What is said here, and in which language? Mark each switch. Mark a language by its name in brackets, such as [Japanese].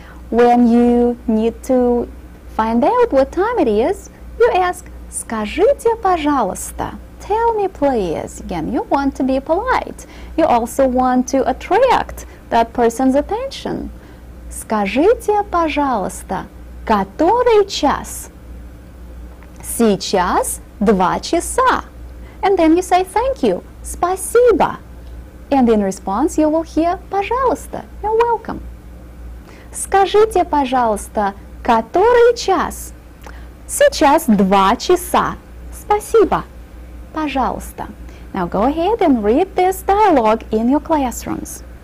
[English] When you need to find out what time it is, you ask, [Russian] Скажите, пожалуйста. [English] Tell me, please. Again, you want to be polite. You also want to attract that person's attention. [Russian] Скажите, пожалуйста, который час? Сейчас 2 часа. [English] And then you say thank you. Спасибо. And in response, you will hear, пожалуйста. You're welcome. [Russian] Скажите, пожалуйста, который час? Сейчас 2 часа. Спасибо. Пожалуйста. [English] Now go ahead and read this dialogue in your classrooms.